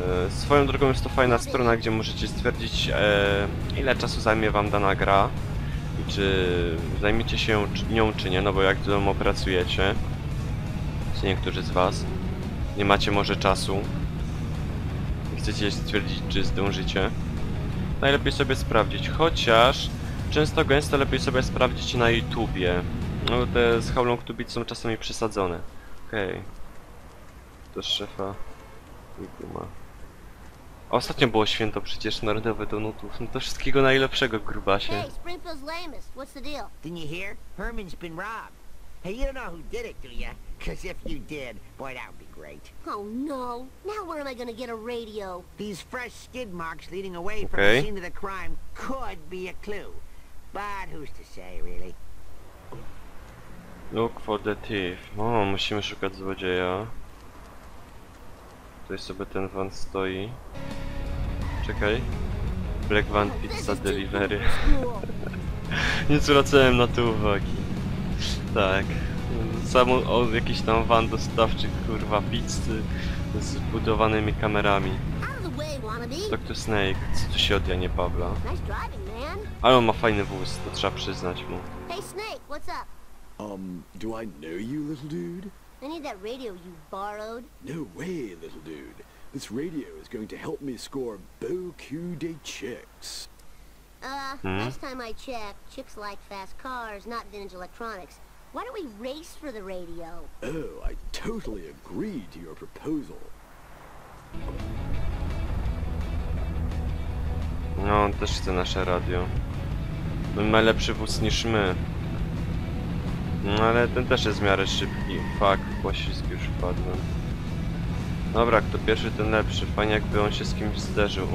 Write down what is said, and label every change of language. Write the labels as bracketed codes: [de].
[pl] Swoją drogą jest to fajna strona, gdzie możecie stwierdzić, ile czasu zajmie wam dana gra i czy zajmiecie się nią, czy nie, no bo jak do domu pracujecie, czy niektórzy z was nie macie może czasu i chcecie stwierdzić, czy zdążycie, najlepiej sobie sprawdzić, chociaż często gęsto lepiej sobie sprawdzić na YouTubie, no bo te z How Long To Beat są czasami przesadzone. Okej, okay. Do szefa. Guma. Ostatnio było święto przecież narodowe donutów. No to wszystkiego najlepszego, grubasie. [en] Hey, Springfield's lamest. What's the deal? Didn't you hear? Herman's been robbed. Hey, you don't know who did it, do you? Cause if you did, boy, that would be great. Oh no. Now where am I gonna get a radio? These fresh skid marks leading away from the scene of the crime could be a clue. But who's to say, really? Look for the thief. [pl] O, musimy szukać złodzieja. Tutaj sobie ten van stoi. Czekaj. Black Van Pizza Delivery. Nie zwracałem na to uwagi. Tak. Sam on, jakiś tam van dostawczy, kurwa, pizzy z budowanymi kamerami. Dr. Snake. Co tu się od Janie Pawla? Ale on ma fajny wóz, to trzeba przyznać mu. [en] Hey Snake, what's up? Do I know you, little dude? I need that radio you borrowed. No way, little dude. This radio is going to help me score beaucoup de chicks. Last time I checked, chicks like fast cars, not vintage electronics. Why don't we race for the radio? Oh, I totally agree to your proposal. [pl] No, on też chce nasze radio. On ma lepszy wóz niż my. No ale ten też jest w miarę szybki. Fuck, pocisk już wpadłem. Dobra, kto pierwszy, ten lepszy. Fajnie jakby on się z kimś zderzył.